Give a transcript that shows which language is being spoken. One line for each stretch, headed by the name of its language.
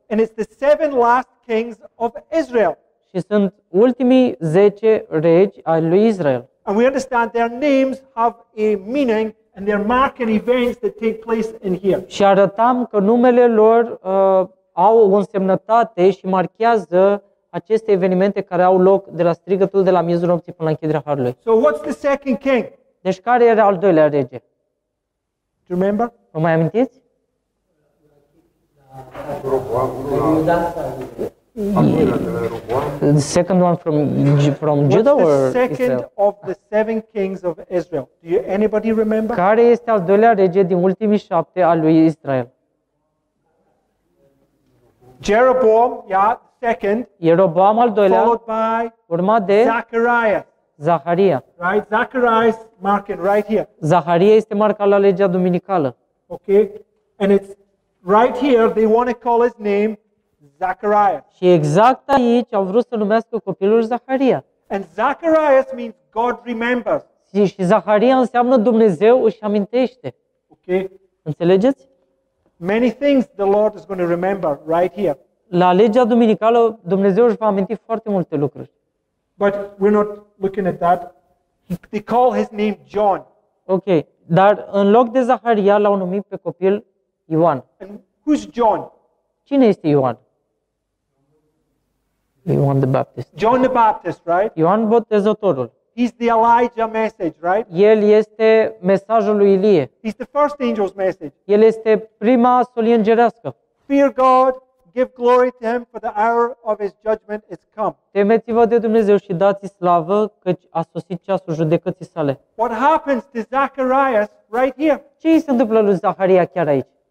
English: And it's the seven last kings of Israel.
Romanian: Și sunt ultimii 10 regi ai lui Israel.
English: And we understand their names have a meaning and they're marking events that take place in here.
Romanian: Și arătăm că numele lor au o însemnătate și marchează aceste evenimente care au loc de la strigătul de la miezul nopții până la închiderea harului.
English: So what's the second king?
Romanian: Deci care era al doilea rege?
English: Do you remember?
Romanian: Vă mai amintiți?
English: The second one from Judah or Israel? The second of the seven kings of Israel. Do you anybody remember?
Romanian: Care este al doilea rege din ultimii 7 al lui Israel?
English: Jeroboam, yeah, second.
Romanian: Jeroboam al doilea.
English: Followed by
Romanian: urmat de
English: Zachariah.
Romanian: Zaharia.
English: Right, Zachariah's marked right here.
Romanian: Zaharia este marcat la legea duminicală.
English: Okay, and it's right here they want to call his name Zachariah.
Romanian: Și exact aici au vrut să numească copilul Zaharia.
English: And Zacharias means God remembers.
Romanian: Și Zaharia înseamnă Dumnezeu își amintește.
English: Okay,
Romanian: înțelegeți?
English: Many things the Lord is going to remember right here.
Romanian: La legea duminicală Dumnezeu își va aminti foarte multe lucruri.
English: But we're not looking at that. They call his name John.
Romanian: Okay, dar în loc de Zaharia l-au numit pe copil Ioan.
English: And who's John?
Romanian: Cine este Ioan?
English: Ioan the Baptist. John the Baptist, right?
Romanian: Ioan Botezătorul.
English: He's the Elijah message, right?
Romanian: El este mesajul lui Ilie.
English: He's the first angel's message.
Romanian: El este prima solie îngerească.
English: Fear God, give glory to him, for the hour of his judgment is come.
Romanian: Temeți-vă de Dumnezeu și dați slavă, căci a sosit ceasul judecății sale.
English: What happens to Zacharias right here?
Romanian: Ce se întâmplă lui Zaharia chiar aici?